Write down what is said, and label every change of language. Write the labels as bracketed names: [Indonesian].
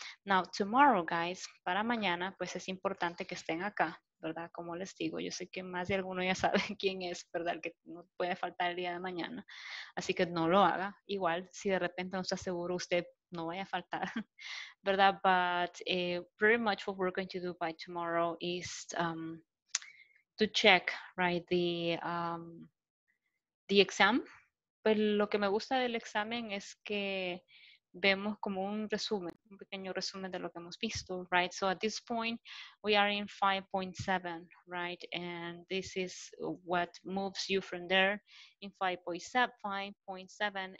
[English] Now, tomorrow, guys, [Spanish] para mañana, pues es importante que estén acá, ¿verdad? Como les digo, yo sé que más de alguno ya sabe quién es, ¿verdad? El que no puede faltar el día de mañana. Así que no lo haga. Igual, si de repente no está seguro, usted no vaya a faltar, ¿verdad? [English] But pretty much what we're going to do by tomorrow is to check, right, the exam. [Spanish] Pues lo que me gusta del examen es que vemos como un resumen, un pequeño resumen de lo que hemos visto, right? [English] So at this point, we are in 5.7, right? And this is what moves you from there in 5.7.